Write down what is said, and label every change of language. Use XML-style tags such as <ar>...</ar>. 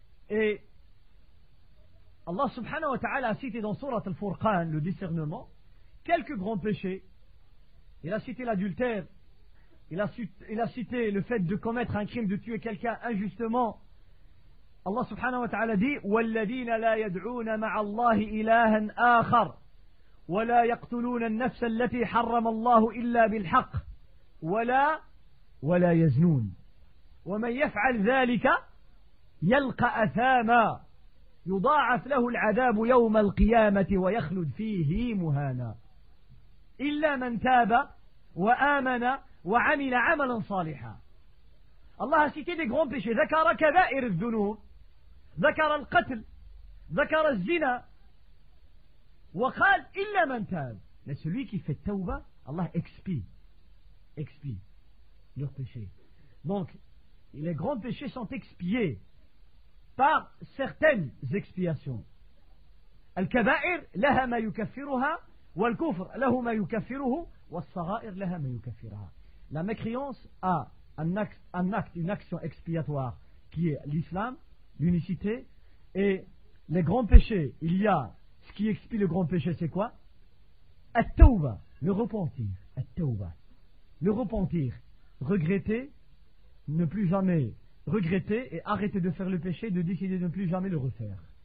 <fr>Et Allah subhanahu wa ta'ala a cité dans sourate al-Furqan, le discernement, quelques grands péchés. Il a cité l'adultère. Il a cité le fait de commettre un crime, de tuer quelqu'un injustement.</fr> <ar>Allah subhanahu wa ta'ala dit, وَالَّذِينَ لَا يَدْعُونَ مَعَ اللَّهِ إِلَٰهًا آخَرٌ وَلَا يَقْتُلُونَ النَّفْسَ الَّتِي حَرَّمَ اللَّهُ إِلَّا بِالْحَقِّ وَلَا يَزْنُونَ وَمَنْ يَفْعَلْ ذَلِكَ يَلْقَ أَثَامًا يُضَاعَفْ لَهُ الْعَذَابُ يَوْمَ الْقِيَامَةِ وَيَخْلُدْ فِيهِ مُهَانًا إِلَّا مَنْ تَابَ وَآمَنَ وَعَمِلَ عَمَلًا صَالِحًا.</ar> <fr>Allah a cité des grands péchés.</fr> <ar>ذَكَرَ كَبَائِرِ الذُّنُوبِ ذَكَرَ الْقَتْلِ ذَكَرَ الزِّنَا وَقَالْ إِلَّا مَنْ تَابَ.</ar> <fr>Mais celui qui fait tauba, Allah expie leurs péchés. Donc les grands péchés sont expiés par certaines expiations.</fr> <ar>الكبائر لها ما يكفرها والكفر له ما يكفره والصغائر لها ما يكفرها.</ar> <fr>La mécréance a un acte, une action expiatoire qui est l'islam, l'unicité, et les grands péchés, il y a ce qui expie le grand péché, c'est quoi? At-tawba, le repentir. At-tawba, le repentir, regretter, ne plus jamais regretter et arrêter de faire le péché, de décider de ne plus jamais le refaire.</fr>